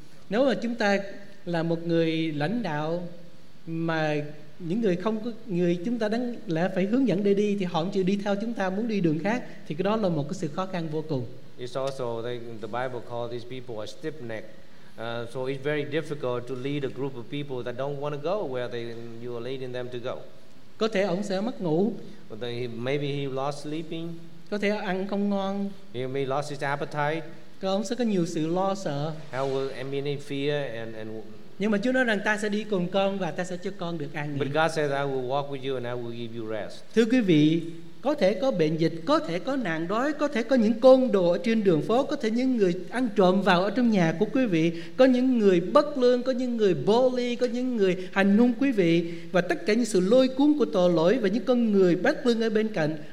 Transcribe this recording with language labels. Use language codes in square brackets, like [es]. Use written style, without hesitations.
[vi] Nếu mà chúng ta là một người lãnh đạo mà những người không có, người chúng ta đáng lẽ phải hướng dẫn để đi thì họ chịu đi theo chúng ta muốn đi đường khác, thì cái đó là một cái sự khó khăn vô cùng. [en] It's also the Bible called these people a stiff-necked. So it's very difficult to lead a group of people that don't want to go where you are leading them to go. [vi] Có thể ông sẽ mất ngủ. [en] Maybe he lost sleeping. [vi] Có thể ăn không ngon. [en] He may lost his appetite. [vi] Có ông sẽ có nhiều sự lo sợ. [en] How will any fear and [vi] nhưng mà Chúa nói rằng ta sẽ đi cùng con và ta sẽ cho con được an nghỉ. [en] But God says I will walk with you and I will give you rest. [vi] Thưa quý vị, có thể có bệnh dịch, có thể có nạn đói, có thể có những côn đồ ở trên đường phố, có thể những người ăn trộm vào ở trong nhà của quý vị, có những người bất lương, có những người bully, có những người hành hung quý vị, và tất cả những sự lôi cuốn của tội lỗi và những con người bất lương ở bên cạnh.